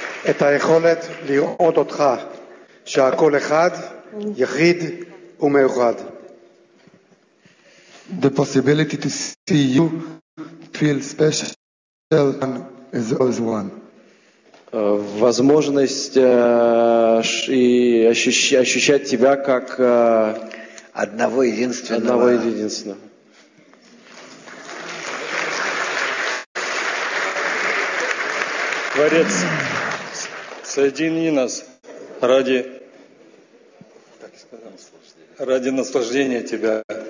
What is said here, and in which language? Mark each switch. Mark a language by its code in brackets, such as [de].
[he] את היכולת לראות אותך שהכל אחד, יחיד ומאוחד. [en] The possibility to see you feel special and as always one. [ru] Возможность и ощущать тебя как одного единственного. Творец, соедини нас ради наслаждения Тебя.